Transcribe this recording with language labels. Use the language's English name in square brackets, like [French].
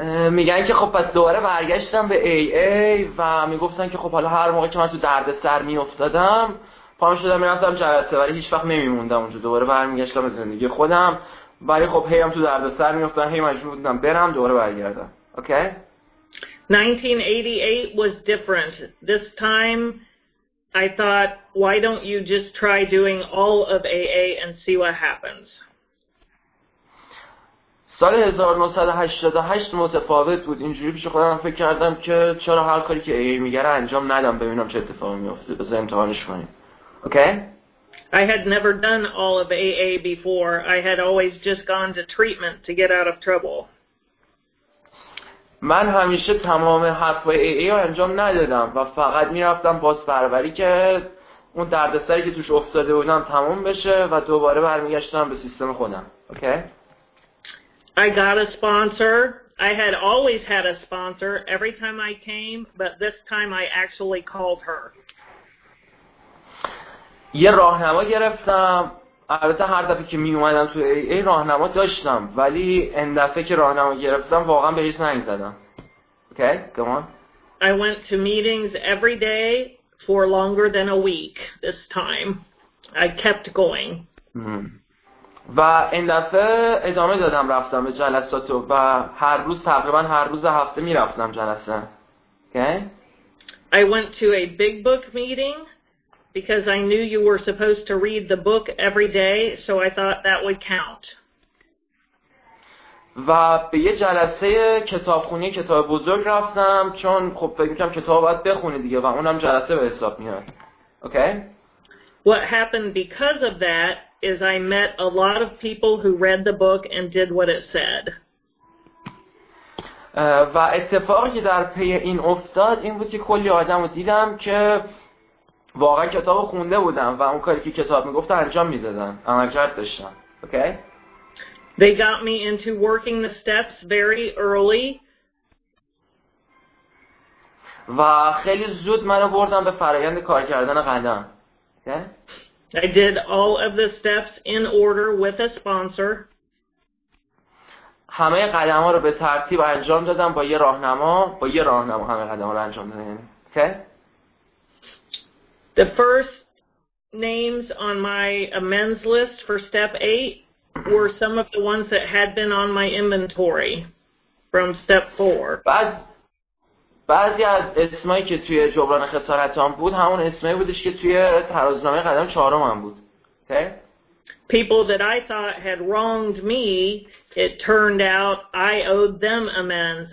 [Persian] میگن که خب پس دوباره برگشتم به AA و میگفتن که خب حالا هر موقع که من تو درد سر میافتادم پام شدم میرفتم جلسه، ولی هیچ وقت نمیموندم اونجا، دوباره برمیگشتم به زندگی خودم، ولی خب هی هم تو درد سر میفتن، هی مجبور بودم برم دوباره برگردم. [English] Okay? 1988 was different. This time I thought, why don't you just try doing all of AA and see what happens. [Persian] سال 1988 متفاوت بود. اینجوری پیش خودم فکر کردم که چرا هر کاری که AA میگره انجام ندم ببینم چه اتفاقی میفته، بذار امتحانش کنیم. [English] Okay. I had never done all of AA before. I had always just gone to treatment to get out of trouble. [Persian] من همیشه تمام حرفای AA رو انجام ندادم و فقط می‌رفتم بازپروری که اون دردسری که توش افتاده بودم تمام بشه و دوباره برمیگشتم به سیستم خودم. [English] Okay? I got a sponsor. I had always had a sponsor every time I came, but this time I actually called her. [Persian] یه راهنما گرفتم. البته هر دفعه که می اومدم تو AA راهنما داشتم، ولی این دفعه که راهنما گرفتم واقعا به هیچ زنگ زدم. [English] Okay, come on. I went to meetings every day for longer than a week this time. I kept going. [Persian] و این دفعه ادامه دادم رفتم به جلسات و هر روز تقریبا هر روز هفته می رفتم جلسه. [English] Okay? I went to a big book meeting because I knew you were supposed to read the book every day, so I thought that would count. [Persian] و به یه جلسه کتابخونی کتاب بزرگ رفتم چون خب فکر می‌کردم کتاب باید بخونی دیگه و اونم جلسه به حساب میاد. [English] Okay? What happened because of that is I met a lot of people who read the book and did what it said. [Persian] و اتفاقی که در پی این افتاد این بود که کلی آدمو دیدم که واقعا کتاب خونده بودم و اون کاری که کتاب میگفت انجام میدادم، عملکرد داشتم. [English] Okay? They got me into working the steps very early. [Persian] و خیلی زود منو بردن به فرایند کار کردن قدم. [English] I did all of the steps in order with a sponsor. [Persian] همه قدم ها رو به ترتیب انجام دادم با یه راهنما، با یه راهنما همه قدم ها رو انجام دادم. [English] Okay. The first names on my amends list for step 8 were some of the ones that had been on my inventory from step 4. [Persian] بعضی از اسمایی که توی جبران خسارتام بود همون اسمایی بودش که توی ترازنامه قدم چهارم هم بود. [English] Okay. People that I thought had wronged me, it turned out I owed them amends.